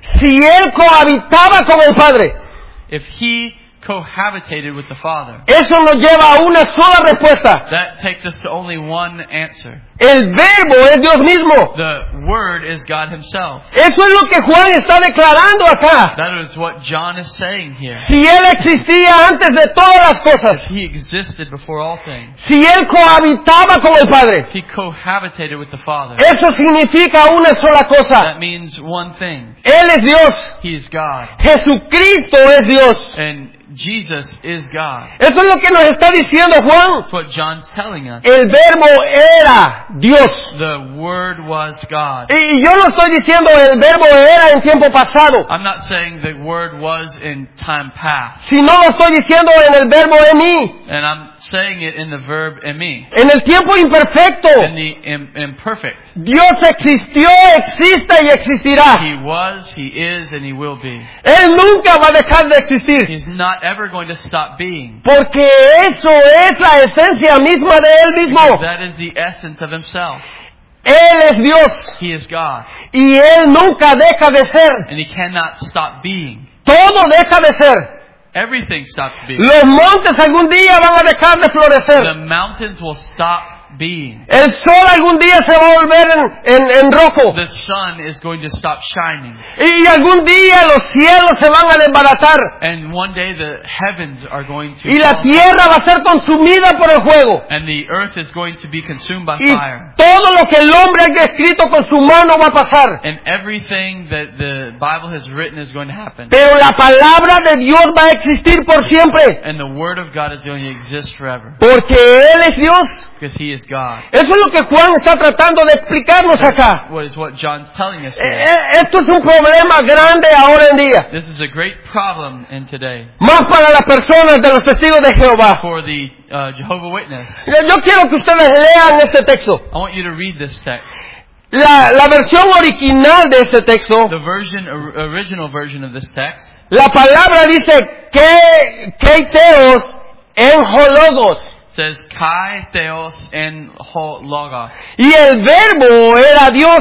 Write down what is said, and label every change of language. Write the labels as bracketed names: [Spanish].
[Spanish] si él cohabitaba con el Padre, [English] if he cohabitated with the Father, [Spanish] eso nos lleva a una sola respuesta. [English] That takes us to only one answer. [Spanish] El Verbo es Dios mismo. [English] The Word is God himself. [Spanish] Eso es lo que Juan está declarando acá. [English] That is what John is saying here. [Spanish] Si él existía antes de todas las cosas. [English] He existed before all things. [Spanish] Si él cohabitaba con el Padre. [English] He cohabitated with the Father. [Spanish] Eso significa una sola cosa. [English] That means one thing. [Spanish] Él es Dios. [English] He is God. [Spanish] Jesucristo es Dios. [English] And Jesus is God. [Spanish] Eso es lo que nos está diciendo Juan. [English] That's what John's telling us. [Spanish] El Verbo era Dios. [English] The Word was God. [Spanish] Y yo no estoy diciendo el Verbo era en tiempo pasado. [English] I'm not saying the Word was in time past. [Spanish] Sino lo estoy diciendo en el Verbo emi. [English] And I'm saying it in the verb emi. [Spanish] En el tiempo imperfecto. [English] In the imperfect. [Spanish] Dios existió, existe y existirá. [English] He was, he is, and he will be. [Spanish] Él nunca va a dejar de existir. [English] He's not ever going to stop being. [Spanish] Porque eso es la esencia misma de él mismo. [English] Because that is the essence of himself. [Spanish] Él es Dios. [English] He is God. [Spanish] Y él nunca deja de ser. [English] And he cannot stop being. [Spanish] Todo deja de ser. [English] Everything stops being. [Spanish] Los montes algún día van a dejar de florecer. [English] The mountains will stop being. [Spanish] El sol algún día se va a volver en rojo. [English] The sun is going to stop shining. [Spanish] Y algún día los cielos se van a desbaratar. [English] And one day the heavens are going to. [Spanish] Y la tierra va a ser consumida por el fuego. [English] And the earth is going to be consumed by y fire. [Spanish] Todo lo que el hombre haya escrito con su mano va a pasar. [English] And everything that the Bible has written is going to happen. [Spanish] Pero la palabra de Dios va a existir por siempre. [English] And the word of God is going to exist forever. [Spanish] Porque él es Dios. Eso es lo que Juan está tratando de explicarnos acá. Esto es un problema grande ahora en día. [English] This is a great problem in today. [Spanish] Más para las personas de los testigos de Jehová. [English] For the Jehovah Witness. [Spanish] Yo quiero que ustedes lean este texto. [English] I want you to read this text. [Spanish] La versión original de este texto. [English] The original version of this text. [Spanish] La palabra dice que [Greek] teos en hologos. [English] Says [Greek] Kai Theos en ho logos. [Spanish] Y el verbo era Dios.